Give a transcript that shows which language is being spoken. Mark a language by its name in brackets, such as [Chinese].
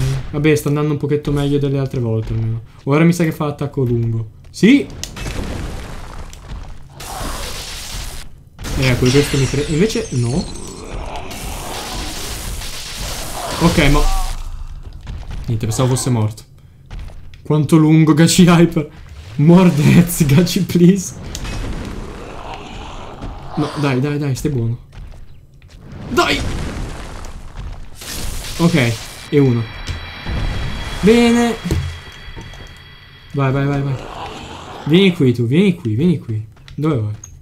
[Italian] Vabbè, sta andando un pochetto meglio delle altre volte almeno. Ora mi sa che fa attacco lungo. Sì! Ecco, questo mi crede. Invece no. Ok, ma... niente, pensavo fosse morto. Quanto lungo, Gachi Hyper. [English] More deaths, Gachi, please. [Italian] No, dai, dai, dai, stai buono. Dai! Ok, e uno. Bene. Vai, vai, vai, vai. Vieni qui tu, vieni qui, vieni qui. Dove vai?